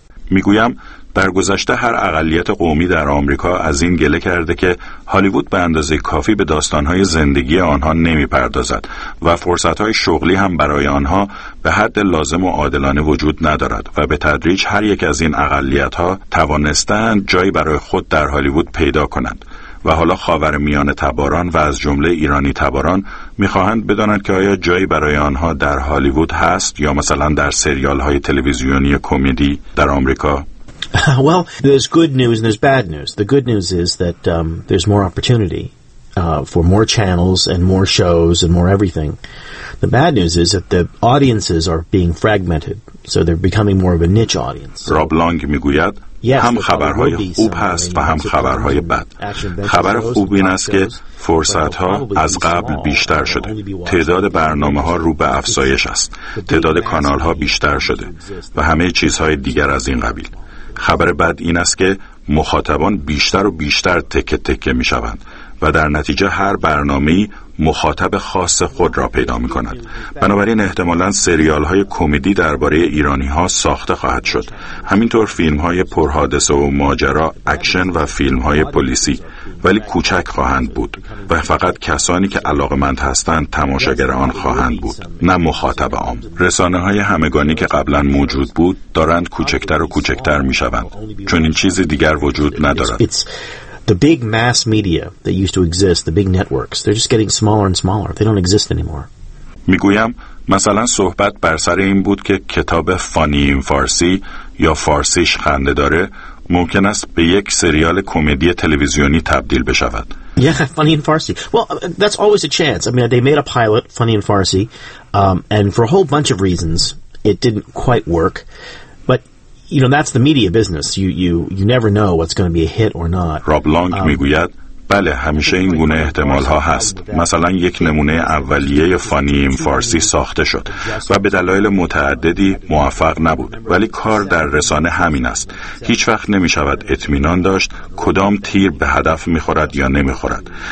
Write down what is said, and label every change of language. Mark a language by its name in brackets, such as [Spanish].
[Persian] میگویم در گذشته هر اقلیت قومی در آمریکا از این گله کرده که هالیوود به اندازه کافی به داستانهای زندگی آنها نمیپردازد و فرصتهای شغلی هم برای آنها به حد لازم و عادلانه وجود ندارد و به تدریج هر یک از این اقلیتها توانستند جایی برای خود در هالیوود پیدا کنند و حالا خاورمیانه تباران و از جمله ایرانی تباران می‌خواهند بدانند که آیا جایی برای آنها در هالیوود هست یا مثلا در سریال‌های تلویزیونی کمدی در آمریکا. [English] Well, there's good news and there's bad news. The good news is that there's more opportunity for more channels and more shows and more everything. The bad news is that the audiences are being fragmented, so they're becoming more of a niche audience. [Persian] Rob Long میگوید هم خبرهای خوب هست و هم خبرهای بد. خبر خوب این است که فرصتها از قبل بیشتر شده. تعداد برنامه ها رو به افزایش است. تعداد کانال ها بیشتر شده و همه چیزهای دیگر از این قبیل. خبر بد این است که مخاطبان بیشتر و بیشتر تک تک می شوند و در نتیجه هر برنامه‌ای مخاطب خاص خود را پیدا می کند. بنابراین احتمالاً سریال های کمدی درباره ایرانی ها ساخته خواهد شد. همینطور فیلم های پرحادثه و ماجرا، اکشن و فیلم های پلیسی، ولی کوچک خواهند بود و فقط کسانی که علاقمند هستند تماشاگر آن خواهند بود، نه مخاطب عام. رسانه های همگانی که قبلا موجود بود دارند کوچکتر و کوچکتر می شوند، چون این چیز دیگر وجود ندارد. [English] The big mass media that used to exist, the big networks, they're just getting smaller and smaller. They don't exist anymore. [Persian] میگویم مثلا صحبت بر سر این بود که کتاب فانی این فارسی یا فارسیش خنده داره ممکن است به یک سریال کمدی تلویزیونی تبدیل بشود. [English] Yeah, Funny in Farsi. Well, that's always a chance. I mean, they made a pilot, Funny in Farsi, and for a whole bunch of reasons, it didn't quite work. You know, that's the media business. You never know what's going to be a hit or not. [Persian] Rob Long میگوید بله، همیشه این گونه احتمال ها هست. مثلا یک نمونه اولیه فانی این فارسی ساخته شد و به دلایل متعددی موفق نبود، ولی کار در رسانه همین است. هیچ وقت نمی شود اطمینان داشت کدام تیر به هدف می خورد یا نمی خورد.